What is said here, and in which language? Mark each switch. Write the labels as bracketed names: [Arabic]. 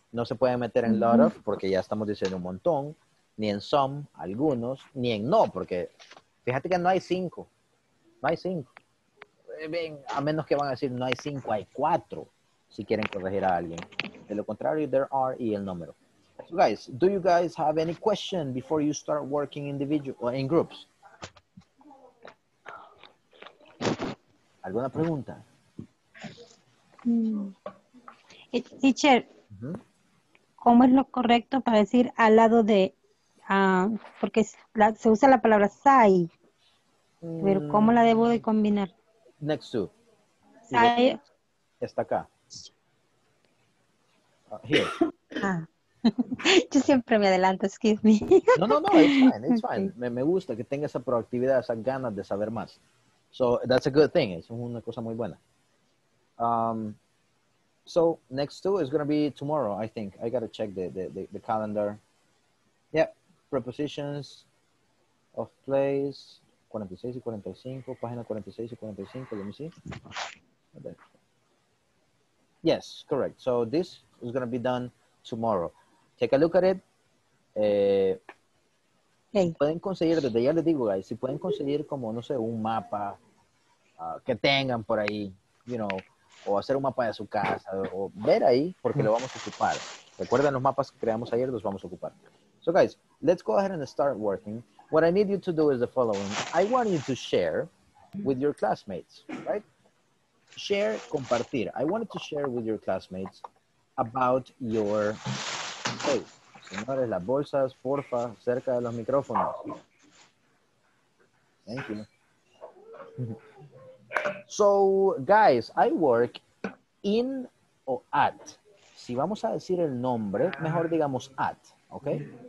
[Spanish] No se puede meter en lot of porque ya estamos diciendo un montón. Ni en some, algunos. Ni en no, porque fíjate que no hay 5. No hay 5. bien, a menos que van a decir no hay cinco, hay cuatro, si quieren corregir a alguien. De lo contrario, there are y el número. [English] So guys, do you guys have any question before you start working individual or in groups? [Spanish] ¿Alguna pregunta? Teacher, ¿cómo es lo correcto para decir al lado de, porque se usa la palabra sai, pero ¿cómo la debo de combinar? [English] Next to. Sai. [Spanish] Está acá. [English] Here. [Spanish] Yo siempre me adelanto, [English] excuse me. No, it's fine, it's fine. Okay. [Spanish] Me gusta que tenga esa proactividad, esas ganas de saber más. [English] So that's a good thing. [Spanish] Es una cosa muy buena. [English] So next two is going to be tomorrow, I think. I got to check the calendar. Yeah, prepositions of place. [Spanish] 46 y 45, página 46 y 45. [English] Let me see. Okay. Yes, correct. So this is going to be done tomorrow. Take a look at it. Hey. [Spanish] Pueden conseguir, desde ya les digo, guys, si pueden conseguir como, no sé, un mapa que tengan por ahí, [English] you know, [Spanish] o hacer un mapa de su casa, o ver ahí, porque lo vamos a ocupar. Recuerden los mapas que creamos ayer, los vamos a ocupar. [English] So guys, let's go ahead and start working. What I need you to do is the following. I want you to share with your classmates, right? Share, compartir. I wanted to share with your classmates about your... [Spanish] Hey, señores, las bolsas, porfa, cerca de los micrófonos. [English] Thank you. So, guys, I work in o at. [Spanish] Si vamos a decir el nombre, mejor digamos at, okay?